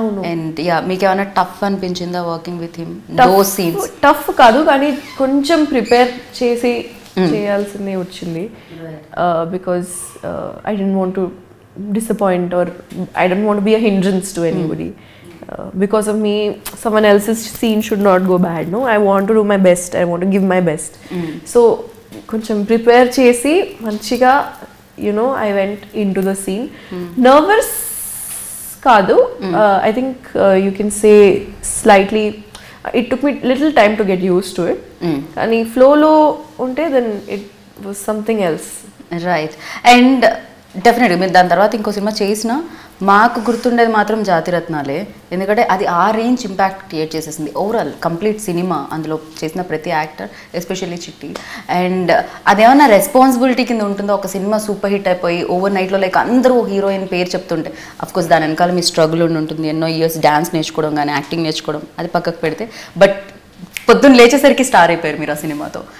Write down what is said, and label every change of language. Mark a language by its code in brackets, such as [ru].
[en] and yeah, [te] మీకు ఏమైనా [en] Tough అనిపించిందా working with him? No scenes tough [te] కాదు, కానీ కొంచెం ప్రిపేర్ చేసి చేయాల్సింది వచ్చింది, [en] Because I don't want to disappoint or I don't want be a hindrance to anybody. Because of me, someone else's scene should not go bad, no? I want to do my best, I want to give my best. So, [te] koncham prepare chesi, manchiga, [en] you know, I went into the scene. [te] Nervous kaadu, [en] I think you can say slightly, it took me little time to get used to it. [te] Kani flow lo unte, [en] then it was something else. Right. [te] And డెఫినెట్గా మీరు దాని తర్వాత ఇంకో cinema చేసిన మాకు గుర్తుండేది మాత్రం జాతిరత్నాలే, ఎందుకంటే అది ఆ రేంజ్ ఇంపాక్ట్ క్రియేట్ చేసేసింది ఓవరాల్ కంప్లీట్ సినిమా. అందులో చేసిన ప్రతి యాక్టర్, ఎస్పెషల్లీ చిట్టి. అండ్ అదేమన్నా రెస్పాన్సిబిలిటీ కింద ఉంటుందో, ఒక సినిమా సూపర్ హిట్ అయిపోయి ఓవర్ నైట్లో లైక్ అందరూ హీరోయిన్ పేరు చెప్తుంటే, అఫ్కోర్స్ దాని వెనకాల మీ స్ట్రగుల్ ఉండి ఉంటుంది, ఎన్నో ఇయర్స్ డ్యాన్స్ నేర్చుకోవడం కానీ యాక్టింగ్ నేర్చుకోవడం అది పక్కకు పెడితే, బట్ పొద్దున్న లేచేసరికి స్టార్ అయిపోయారు మీరు ఆ సినిమాతో.